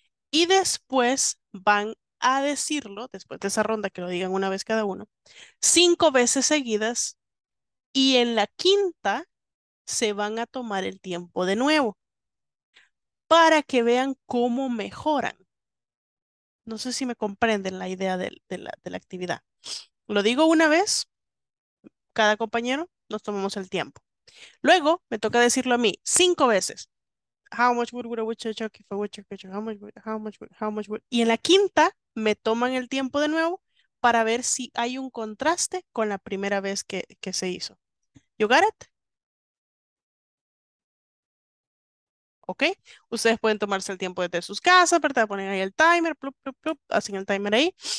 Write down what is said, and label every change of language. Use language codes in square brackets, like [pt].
[es] Y después van a decirlo, después de esa ronda que lo digan una vez cada uno, 5 veces seguidas, y en la quinta se van a tomar el tiempo de nuevo, para que vean cómo mejoran. No sé si me comprenden la idea de la actividad. Lo digo una vez, cada compañero, nos tomamos el tiempo. Luego, me toca decirlo a mí 5 veces. [en] How much wood would a woodchuck if a woodchuck could chuck? How much wood? [es] Y en la quinta, me toman el tiempo de nuevo para ver si hay un contraste con la primera vez que se hizo. [en] You got it? [es] ¿Ok? Ustedes pueden tomarse el tiempo desde sus casas, ¿verdad? Ponen ahí el timer, plup, plup, plup, hacen el timer ahí.